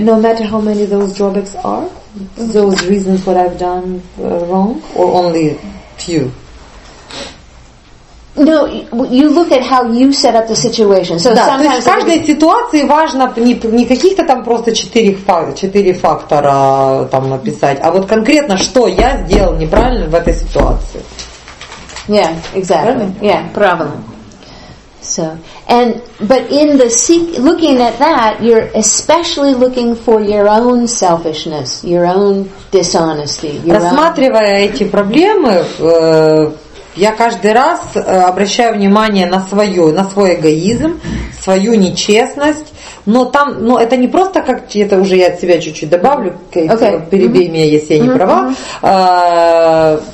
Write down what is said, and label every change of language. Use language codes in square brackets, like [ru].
[en] No matter how many those drawbacks are, those reasons what I've done wrong. Or only few. No, you look at how you set up the situation. So [ru] да, то есть в каждой ситуации важно не каких-то там просто четыре фактора там написать, а вот конкретно, что я сделал неправильно в этой ситуации. [en] Yeah, exactly. [ru] Правильно? [en] Yeah, [ru] правильно. [en] So, and but in the looking at that, you're especially looking for your own selfishness, your own dishonesty. [ru] Рассматривая эти проблемы, я каждый раз обращаю внимание на свое, на свой эгоизм, свою нечестность. Но там, но это не просто как это уже я от себя чуть-чуть добавлю, [en] okay. [ru] перебей mm-hmm. меня, если я не mm-hmm. права.